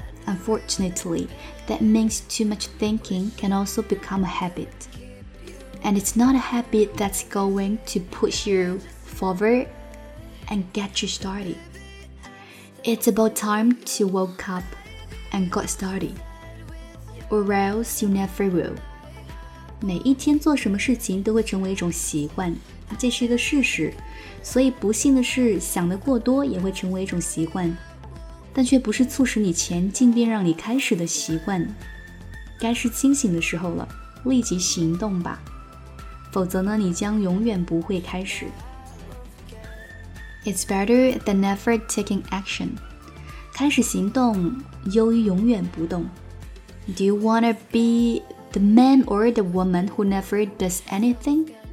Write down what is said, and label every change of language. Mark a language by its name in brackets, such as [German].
[English] Unfortunately, that means too much thinking can also become a habit. And it's not a habit that's going to push you forward and get you started. It's about time to wake up and get started. Or else you never will. [Chinese] 每一天做什么事情都会成为一种习惯，这是一个事实。所以不幸的是，想得过多也会成为一种习惯。但却不是促使你前进并让你开始的习惯，该是清醒的时候了，立即行动吧，否则呢，你将永远不会开始。 [English] It's better than never taking action. [Chinese] 开始行动优于永远不动。 [English] Do you want to be the man or the woman who never does anything?